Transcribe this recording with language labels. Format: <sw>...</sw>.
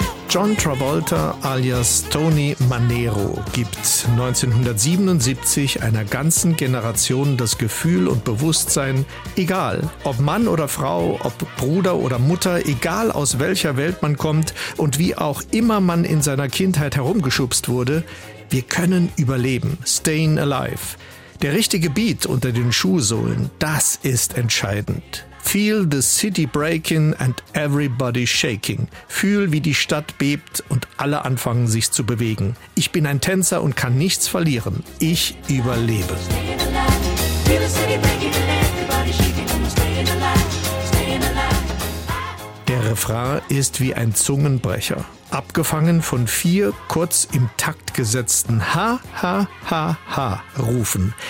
<de>John Travolta alias Tony Manero gibt 1977 einer ganzen Generation das Gefühl und Bewusstsein, egal ob Mann oder Frau, ob Bruder oder Mutter, egal aus welcher Welt man kommt und wie auch immer man in seiner Kindheit herumgeschubst wurde, wir können überleben, Stayin' Alive. Der richtige Beat unter den Schuhsohlen, das ist entscheidend.</de> <en>Feel the city breaking and everybody shaking.</en> <de>Fühl, wie die Stadt bebt und alle anfangen, sich zu bewegen. Ich bin ein Tänzer und kann nichts verlieren. Ich überlebe. Der Refrain ist wie ein Zungenbrecher. Abgefangen von vier kurz im Takt gesetzten Ha-Ha-Ha-Ha-Rufen.</de>